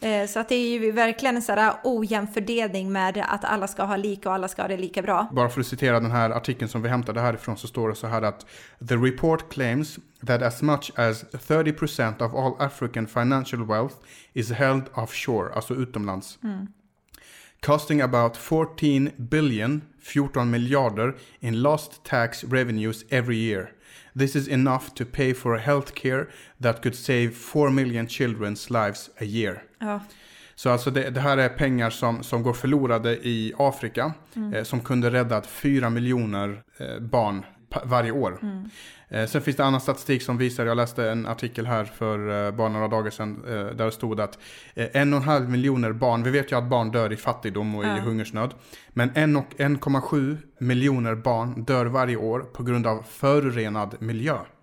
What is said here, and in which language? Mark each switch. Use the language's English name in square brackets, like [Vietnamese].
[Swedish] Så att det är ju verkligen en sån här ojämn fördelning med att alla ska ha lika och alla ska ha det lika bra. Bara för att citera den här artikeln som vi hämtade härifrån, så står det så här att [English] the report claims that as much as 30% of all African financial wealth is held offshore, [Swedish] alltså utomlands. Mm. [English] Costing about 14 billion, [Swedish] 14 miljarder [English] in lost tax revenues every year. This is enough to pay for a healthcare that could save 4 million children's lives a year. [Swedish] Ja. Så alltså det här är pengar som går förlorade i Afrika, som kunde rädda 4 miljoner barn varje år. Mm. Sen finns det annan statistik som visar, jag läste en artikel här för bara några dagar sedan där det stod att 1,5 miljoner barn, vi vet ju att barn dör i fattigdom och i hungersnöd, men 1,7 miljoner barn dör varje år på grund av förorenad miljö.